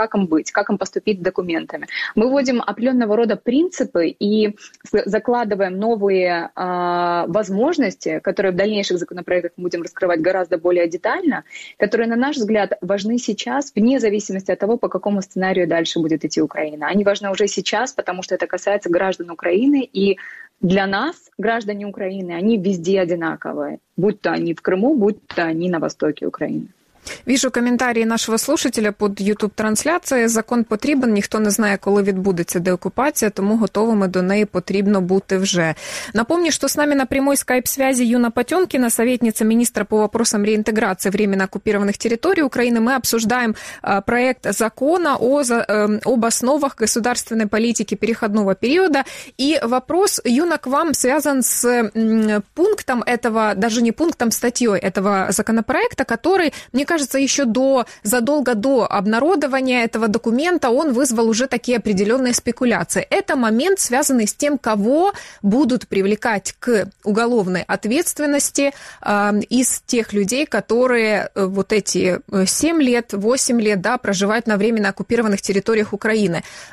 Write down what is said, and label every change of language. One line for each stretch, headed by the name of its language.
Russian: Как им быть, как им поступить с документами? Мы вводим определенного рода принципы и закладываем новые возможности, которые в дальнейших законопроектах мы будем раскрывать гораздо более детально, которые, на наш взгляд, важны сейчас, вне зависимости от того, по какому сценарию дальше будет идти Украина. Они важны уже сейчас, потому что это касается граждан Украины, и для нас, граждане Украины, они везде одинаковые, будь то они в Крыму, будь то они на востоке Украины. Вижу коментарии нашего слушателя под YouTube-трансляцією.
Ukrainian: Закон потрібен, ніхто не знає, коли відбудеться деокупація, тому готовими до неї потрібно бути вже. Напомню, що з нами на прямой скайп-связі Юна Потьомкіна, советниця міністра по вопросам реінтеграції временно оккупированих територій України. Ми обсуждаємо проект закону об основах государственной політики переходного періоду.
Russian: І вопрос, Юна, к вам связан з пунктом этого, даже не пунктом, статьей этого законопроекта, который, мені кажется, просто еще задолго до обнародования этого документа он вызвал уже такие определенные спекуляции. Это момент, связанный с тем, кого будут привлекать к уголовной ответственности из тех людей, которые вот эти 7 лет, 8 лет, да, проживают на временно оккупированных территориях Украины.